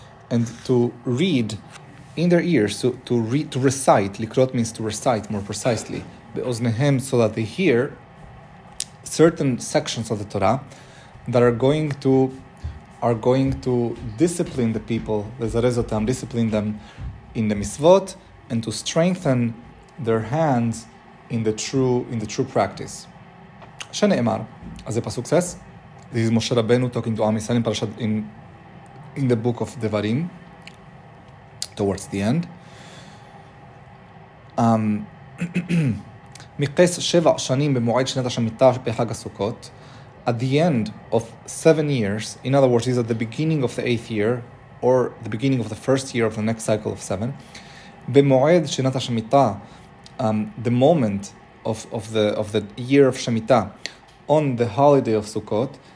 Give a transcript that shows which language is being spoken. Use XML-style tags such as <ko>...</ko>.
<en>And to read in their ears, to recite, לקרות means to recite more precisely, באוזניהם, so that they hear certain sections of the Torah that are going to discipline the people, the zarezotam, discipline them in the mitzvot, and to strengthen their hands in the true practice. Sheneemar, as a pasuk says, this is Moshe Rabbeinu talking to Am Yisrael in the book of Devarim towards the end.</en> <he>מקס שבע שנים במועד שנת השמיטה בחג הסוכות,</he> <en>at the end of 7 years, in other words, is at the beginning of the 8th year, or the beginning of the first year of the next cycle of 7,</en> <he>במועד שנת השמיטה,</he> <en>the moment of the year of Shemitah, on the holiday of Sukkot,</en>